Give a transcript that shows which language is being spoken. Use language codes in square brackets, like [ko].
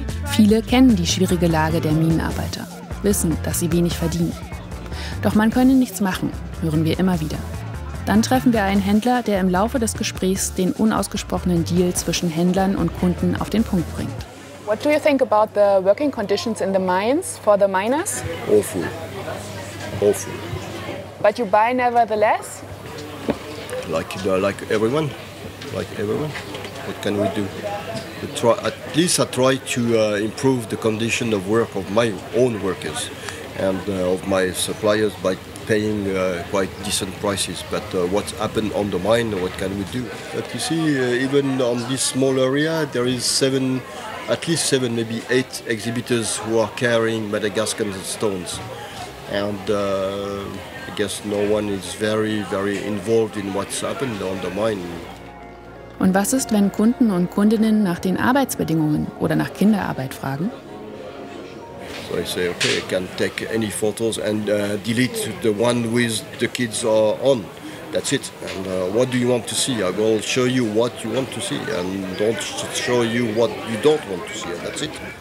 [de] Viele kennen die schwierige Lage der Minenarbeiter, wissen, dass sie wenig verdienen. Doch man könne nichts machen, hören wir immer wieder. Dann treffen wir einen Händler, der im Laufe des Gesprächs den unausgesprochenen Deal zwischen Händlern und Kunden auf den Punkt bringt. [en] What do you think about the working conditions in the mines for the miners? Awful. Awful. But you buy nevertheless? Like everyone. What can we do? I try to improve the condition of work of my own workers and of my suppliers by paying quite decent prices. But what's happened on the mine, what can we do? But you see, even on this small area, there is at least seven, maybe eight exhibitors who are carrying Madagascan stones. And I guess no one is very, very involved in what's happened on the mine. [de] Und was ist, wenn Kunden und Kundinnen nach den Arbeitsbedingungen oder nach Kinderarbeit fragen? [en] So I say, okay, I can take any photos and delete the one with the kids on. That's it. And what do you want to see? I will show you what you want to see and don't show you what you don't want to see. And that's it.